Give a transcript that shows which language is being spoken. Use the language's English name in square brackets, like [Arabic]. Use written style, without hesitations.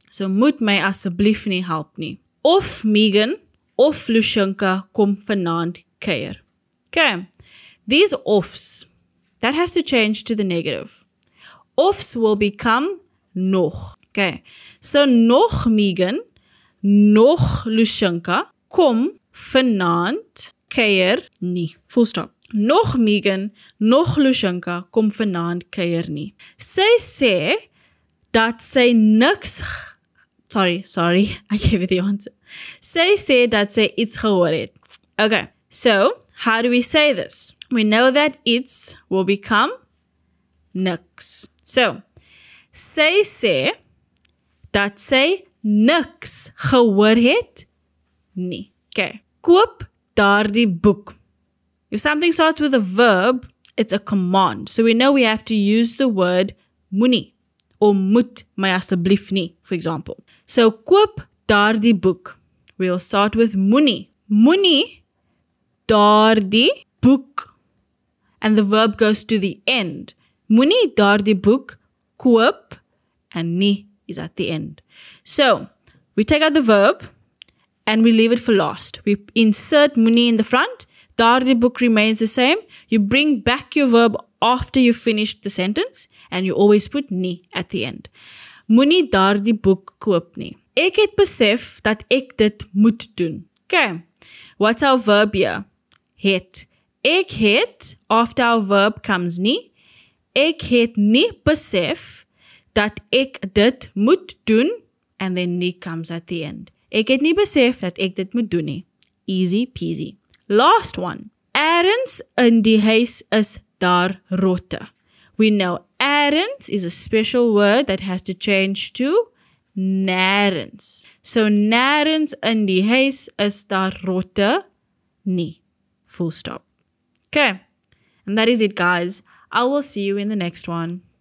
[Afrikaans] So moet my asseblief nie help nie. Of Megan of Lushenka kom vanaand keir. [English] Okay, these ofs, that has to change to the negative. Ofs will become [Afrikaans] nog. Okay, so nog Megan, nog Lushenka kom vanaand keir nie. Full stop. Nog Megan, nog Lushenka kom vanaand keir nie. Sy sê dat sy niks... [English] Sorry. I gave you the answer. [Afrikaans] Sy sê dat sy iets gehoor het. [English] Okay, so how do we say this? We know that iets will become niks. [Afrikaans] So, sy sê dat sy niks gehoor het nie. Okay. Koop daardie boek. [English] If something starts with a verb, it's a command. So we know we have to use the word moenie or moet my asseblief nie, for example. So [Afrikaans] koop daardie boek. [English] We'll start with moenie. [Afrikaans] Moenie daardie boek. [English] And the verb goes to the end. [Afrikaans] Moenie daardie boek koop [English] and nie is at the end. So we take out the verb and we leave it for last. We insert moenie in the front. Daardie boek remains the same. You bring back your verb after you finished the sentence and you always put nie at the end. [Afrikaans] Moenie daardie boek koop nie. Ek het besef dat ek dit moet doen. [English] Okay, what's our verb here? Het. Ek het, after our verb comes nie. [Afrikaans] Ek het nie besef dat ek dit moet doen [English] and then nie comes at the end. [Afrikaans] Ek het nie besef dat ek dit moet doen nie. [English] Easy peasy. Last one. [Afrikaans] Ergens in die huis is daar rotte. [English] We know ergens is a special word that has to change to nergens. [Afrikaans] So nergens in die huis is daar rotte nie. [English] Full stop. Okay. And that is it, guys. I will see you in the next one.